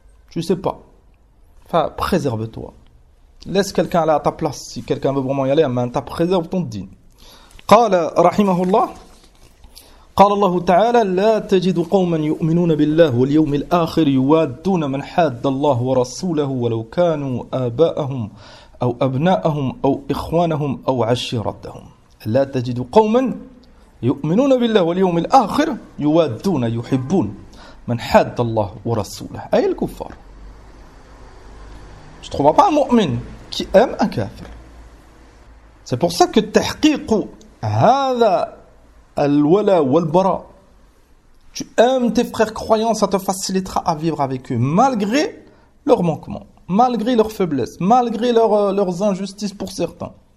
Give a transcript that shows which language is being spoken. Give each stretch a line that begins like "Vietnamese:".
French: Tu ne sais pas. Enfin, préserve-toi. Laisse quelqu'un aller à ta place si quelqu'un veut vraiment y aller, mais tu préserves ton din.
Arabic: Qala rahimahullah. قال الله تعالى لا تجد قوما يؤمنون بالله واليوم الآخر يوادون من حاد الله ورسوله ولو كانوا آباءهم أو أبناءهم أو إخوانهم أو عشيرتهم لا تجد قوما يؤمنون بالله واليوم الآخر يوادون يحبون من حاد الله ورسوله أي الكفار
French: je trouve pas un
Arabic: مؤمن
French: qui aime un
Arabic: كافر.
French: C'est pour ça que
Arabic: تحقيق هذا
French: Al-wala wal-bara. Tu aimes tes frères croyants, ça te facilitera à vivre avec eux, malgré leurs manquements, malgré leurs faiblesses, malgré leurs injustices pour certains.